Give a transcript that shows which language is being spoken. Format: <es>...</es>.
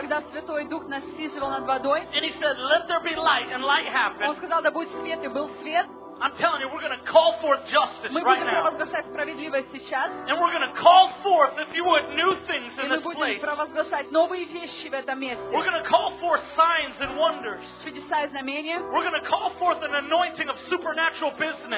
<ru>когда Святой Дух насиживал над водой,</ru> <en>and He said, "Let there be light," and light happened.</en> <ru>Он сказал, да будет свет, и был свет.</ru> <en>I'm telling you, we're going to call forth justice right now.</en> <ru>Мы будем провозглашать справедливость сейчас.</ru> <en>And we're going to call forth, if you would, new things in this place.</en> <ru>И мы будем провозглашать новые вещи в этом месте.</ru> <en>We're going to call forth signs and wonders.</en> <ru>Чудеса и знамения.</ru> <en>We're going to call forth an anointing of supernatural business.</en>